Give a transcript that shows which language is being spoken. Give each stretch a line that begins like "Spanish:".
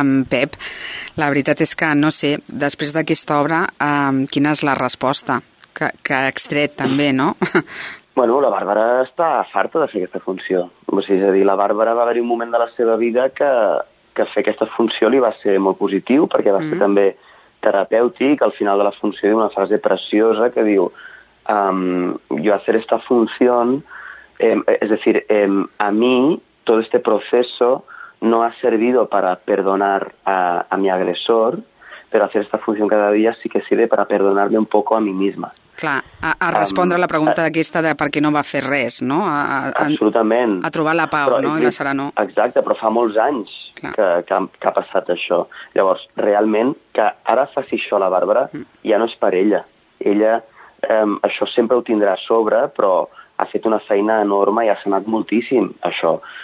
Catalan: Pep, la veritat és que no sé, després d'aquesta obra, quina és la resposta que ha extret també, no? Bueno, la Bàrbara està farta de fer aquesta funció. O sigui, és a dir, la Bàrbara va haver-hi un moment de la seva vida que fer aquesta funció li va ser molt positiu, perquè va ser també terapèutic. Al final de la funció diu una frase preciosa que diu
Spanish: jo hacer esta función, es decir, a mí todo este proceso no ha servido para perdonar a mi agresor, pero hacer esta función cada día sí que sirve para perdonarme un poco a mí misma.
Catalan: Clar, a respondre la pregunta d'aquesta de per què no va fer res, no? Absolutament. A trobar la pau, però, no? I la serenor. Exacte, però fa molts anys que ha passat això. Llavors, realment, que ara faci això la Bàrbara ja no és per ella. Ella, això sempre ho tindrà a sobre, però ha fet una feina enorme i ha sanat moltíssim, això.